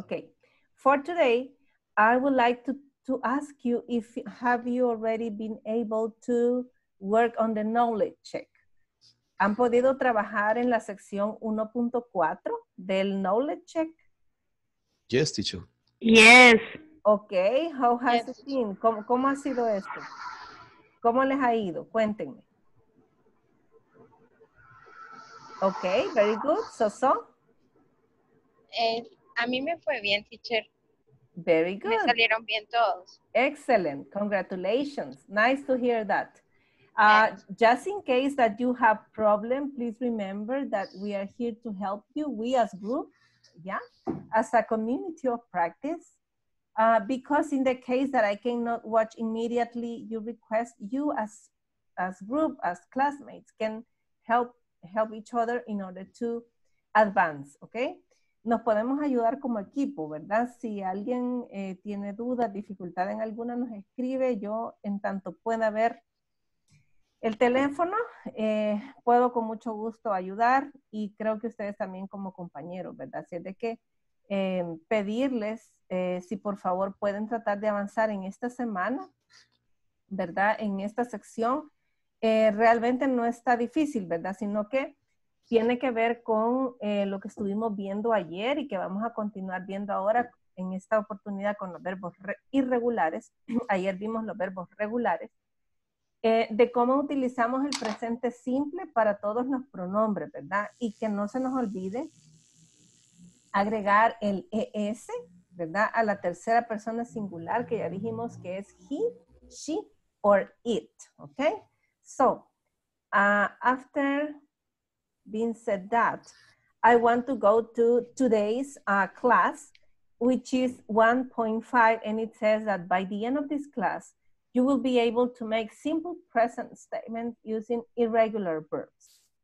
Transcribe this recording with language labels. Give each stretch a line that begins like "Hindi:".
English: Okay, for today, I would like to ask you if have you already been able to work on the knowledge check.
Spanish: ¿Han podido trabajar en la sección 1.4 del Knowledge Check?
English: Yes, teacher. Yes. Okay, how has it been?
Spanish: ¿Cómo ha sido esto? ¿Cómo les ha ido? Cuéntenme.
English: Okay, very good. ¿Soso?
Spanish: A mí me fue bien, teacher.
English: Very good.
Spanish: Me salieron bien todos.
English: Excellent. Congratulations. Nice to hear that. Just in case that you have problem, please remember that we are here to help you. We as group, yeah, as a community of practice, because in the case that I cannot watch immediately, you request you as group, as classmates can help each other in order to advance.
Spanish: Okay, nos podemos ayudar como equipo, ¿verdad? Si alguien tiene duda, dificultad en alguna, nos escribe. Yo en tanto pueda ver el teléfono, puedo con mucho gusto ayudar y creo que ustedes también como compañeros, ¿verdad? Así es de que pedirles si por favor pueden tratar de avanzar en esta semana, ¿verdad? En esta sección, realmente no está difícil, ¿verdad? Sino que tiene que ver con lo que estuvimos viendo ayer y que vamos a continuar viendo ahora en esta oportunidad con los verbos irregulares. Ayer vimos los verbos regulares. De cómo utilizamos el presente simple para todos los pronombres, ¿verdad? Y que no se nos olvide agregar el ES, ¿verdad? A la tercera persona singular que ya dijimos que es he, she, or it, ¿ok?
English: So, after being said that, I want to go to today's class, which is 1.5, and it says that by the end of this class, you will be able to make simple present statements using irregular verbs.